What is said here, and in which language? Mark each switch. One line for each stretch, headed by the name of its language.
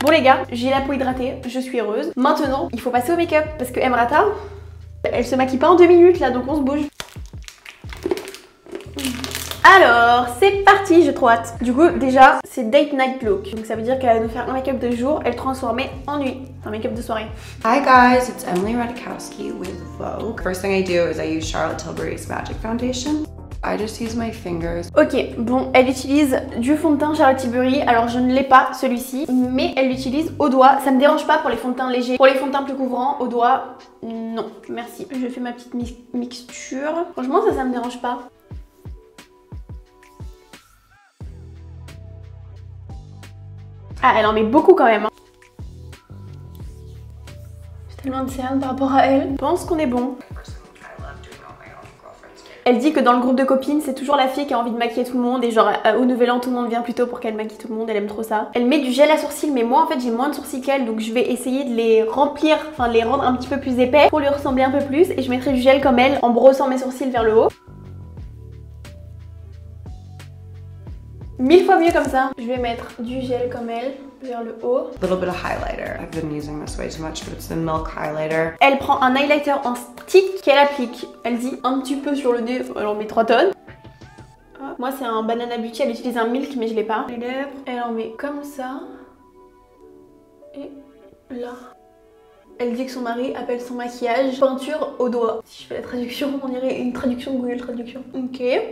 French: Bon les gars, j'ai la peau hydratée, je suis heureuse. Maintenant, il faut passer au make-up parce que Emrata, elle se maquille pas en 2 minutes là, donc on se bouge. Alors, c'est parti, j'ai trop hâte. Du coup, déjà, c'est date night look. Donc ça veut dire qu'elle va nous faire un make-up de jour, elle transformer en nuit. Un make-up de soirée.
English: Hi guys, it's Emily Ratajkowski with Vogue. First thing I do is I use Charlotte Tilbury's Magic Foundation. I just use my fingers.
French: Ok, bon, elle utilise du fond de teint Charlotte Tilbury. Alors je ne l'ai pas celui-ci, mais elle l'utilise au doigt. Ça me dérange pas pour les fonds de teint légers. Pour les fonds de teint plus couvrants, au doigt, non, merci. Je fais ma petite mixture. Franchement, ça me dérange pas. Ah, elle en met beaucoup quand même. Hein. J'ai tellement de cernes par rapport à elle. Je pense qu'on est bon. Elle dit que dans le groupe de copines, c'est toujours la fille qui a envie de maquiller tout le monde. Et genre, au nouvel an, tout le monde vient plus tôt pour qu'elle maquille tout le monde. Elle aime trop ça. Elle met du gel à sourcils, mais moi, en fait, j'ai moins de sourcils qu'elle. Donc, je vais essayer de les remplir, enfin, les rendre un petit peu plus épais pour lui ressembler un peu plus. Et je mettrai du gel comme elle en brossant mes sourcils vers le haut. Mille fois mieux comme ça. Je vais mettre du gel comme elle vers le haut.
English: A little bit of highlighter. I've been using this way too much, but it's the Milk highlighter.
French: Elle prend un highlighter en stick qu'elle applique. Elle dit un petit peu sur le nez. Elle en met 3 tonnes. Oh. Moi, c'est un Banana Beauty. Elle utilise un Milk, mais je l'ai pas. Les lèvres, elle en met comme ça. Et là. Elle dit que son mari appelle son maquillage peinture au doigt. Si je fais la traduction, on dirait une traduction Google Traduction. Ok.